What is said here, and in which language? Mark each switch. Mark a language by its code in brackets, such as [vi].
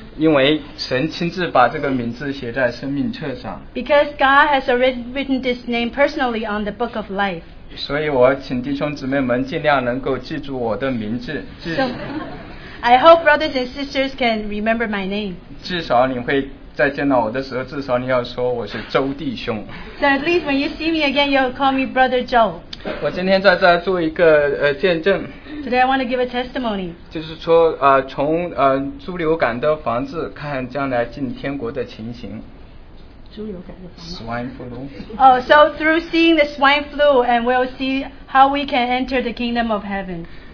[zh] 因为神亲自把这个名字写在生命册上。 [en] Because God has already written this name personally on the book of life. [zh] 所以我请弟兄姊妹们尽量能够记住我的名字。 [en] I hope brothers and sisters can remember my name. [zh] 至少你会在见到我的时候，至少你要说我是周弟兄。 [en] So at least when you see me again, you'll call me Brother Joe. [zh] 我今天在这做一个见证。 [en] Today I want to give a testimony. [zh] 就是说，从猪流感的房子看将来进天国的情形。 [en] Swine flu. Oh, so through seeing the swine flu, and we'll see how we can enter the kingdom of heaven.